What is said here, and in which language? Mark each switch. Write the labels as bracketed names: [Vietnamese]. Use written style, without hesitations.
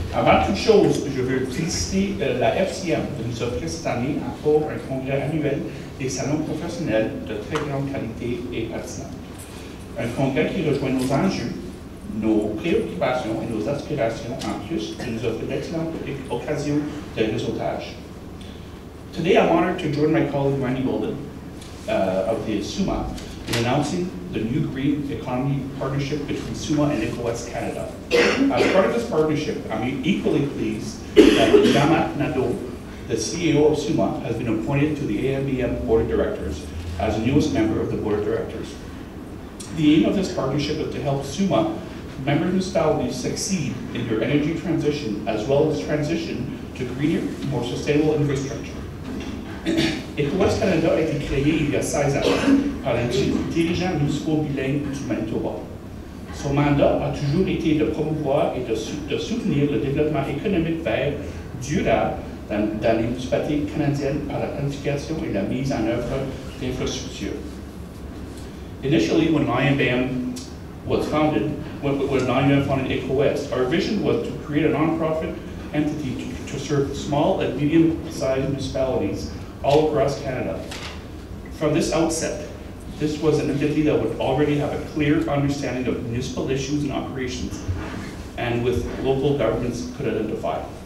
[French] Avant toute chose, je veux féliciter la FCM de nous offrir cette année pour un congrès annuel des salons professionnels de très grande qualité et pertinente. Un congrès qui rejoint nos enjeux nos préoccupations et nos aspirations en plus et nous offre d'excellentes occasions de réseautage. [English] Today, I'm honored to join my colleague Randy Bolden of the SUMA in announcing the new green economy partnership between SUMA and Eco-West Canada. As part of this partnership, I'm equally pleased that Jama Nadeau, the CEO of SUMA, has been appointed to the AMBM Board of Directors as the newest member of the Board of Directors. The aim of this partnership is to help SUMA member municipalities succeed in their energy transition as well as transition to greener, more sustainable infrastructure. [French] Eco-West Canada a été créé il y a 16 ans par un dirigeant municipal bilingue du Manitoba. Son mandat a toujours été de promouvoir et de soutenir le développement économique vert durable dans les municipalités canadiennes par la planification et la mise en œuvre d'infrastructures. [English] Initially, when AMBM was founded, when AMBM founded Eco-West, our vision was to create a nonprofit entity to serve small and medium-sized municipalities all across Canada. From this outset, this was an entity that would already have a clear understanding of municipal issues and operations and with local governments could identify.